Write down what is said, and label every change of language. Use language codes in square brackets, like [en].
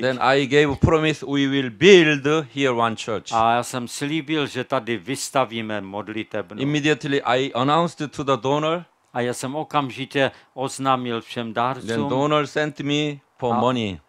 [en] Then I gave a promise we will build here one church. [cs] A já jsem slíbil, že tady vystavíme modlitebnu. [en] Immediately I announced to the donor. [cs] A já jsem okamžitě oznámil všem dárcům. [en] Then donor sent me for money.